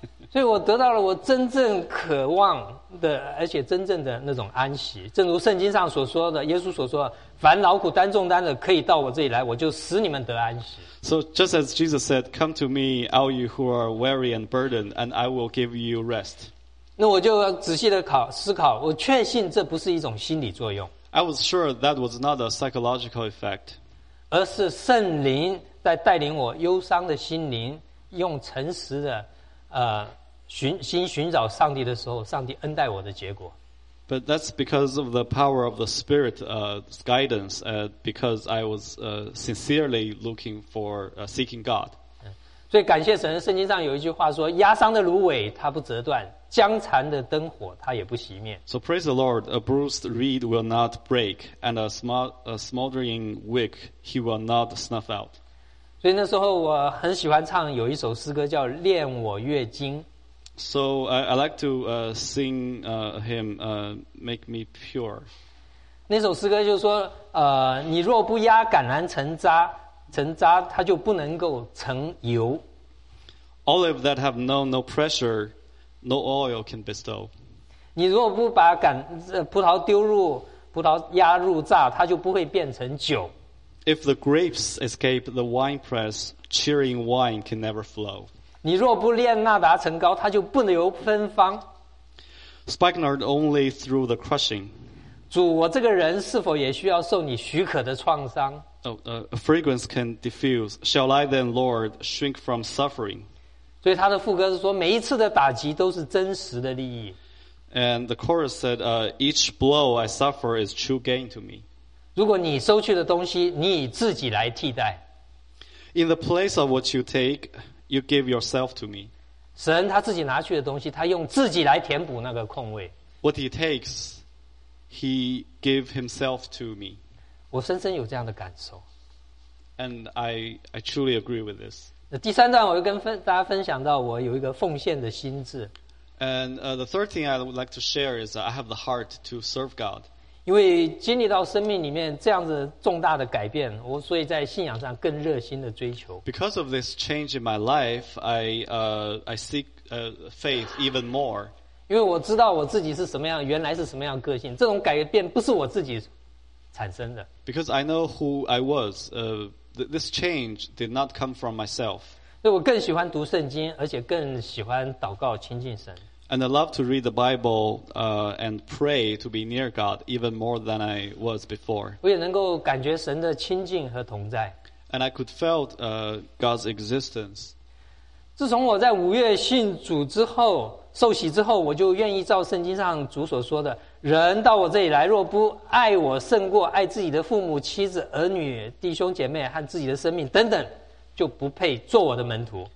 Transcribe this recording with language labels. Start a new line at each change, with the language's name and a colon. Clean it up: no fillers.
Chinese: 所以我得到了我真正渴望的而且真正的那种安息正如圣经上所说的耶稣所说凡劳苦担重担的可以到我这里来我就使你们得安息
English: So just as Jesus said Come to me all you who are weary and burdened and I will give you rest
Chinese: 那我就仔细的思考我确信这不是一种心理作用
English: I was sure that was not a psychological effect
Chinese: 而是圣灵在带领我忧伤的心灵用诚实的寻找上帝的时候，上帝恩待我的结果。
English: But that's because of the power of the Spirit, guidance, because I was sincerely looking for seeking God.
Chinese: 所以感谢神，圣经上有一句话说：“压伤的芦苇它不折断，僵残的灯火它也不熄灭。”
English: So praise the Lord, a bruised reed will not break, and a smoldering wick he will not snuff out.
Chinese: 所以那时候我很喜欢唱有一首诗歌叫《恋我月经》。
English: So I like to sing him Make Me Pure.
Chinese: 那首诗歌就是说，你若不压橄榄成渣，成渣，它就不能够成油。
English: Olive that have known no pressure, no oil can bestow.
Chinese: 你如果不把葡萄丢入葡萄压入榨，它就不会变成酒。
English: If the grapes escape the wine press, cheering wine can never flow.
Chinese: 你若不炼纳达成膏，它就不能有芬芳。
English: Spikenard only through the crushing.
Chinese: 主，我这个人是否也需要受你许可的创伤？
English: Fragrance can diffuse. Shall I then, Lord, shrink from suffering?
Chinese: 所以他的副歌是说，每一次的打击都是真实的利益。
English: And the chorus said, each blow I suffer is true gain to me.
Chinese: 如果你收取的东西，你以自己来替代。
English: In the place of what you take, you give yourself to me.
Chinese: 神他自己拿去的东西，他用自己来填补那个空位。
English: What he takes, he gave himself to me.
Chinese: 我深深有这样的感受。
English: And I truly agree with this.
Chinese: 第三段我又跟大家分享到我有一个奉献的心志。
English: And the third thing I would like to share is I have the heart to serve God.
Chinese: 因为经历到生命里面这样子重大的改变，我所以在信仰上更热心的追求。
English: Because of this change in my life, I seek faith even more.
Chinese: 因为我知道我自己是什么样，原来是什么样的个性，这种改变不是我自己产生的。
English: Because I know who I was, this change did not come from myself.
Chinese: 所以我更喜欢读圣经，而且更喜欢祷告亲近神。
English: And I love to read the Bible, and pray to be near God even more than I was before.
Chinese: 我也能够感觉神的亲近和同在。
English: And I could felt, God's existence.
Chinese: 自从我在五月信主之后，受洗之后，我就愿意照圣经上主所说的。人到我这里来，若不爱我胜过爱自己的父母、妻子、儿女、弟兄姐妹和自己的生命等等，就不配做我的门徒。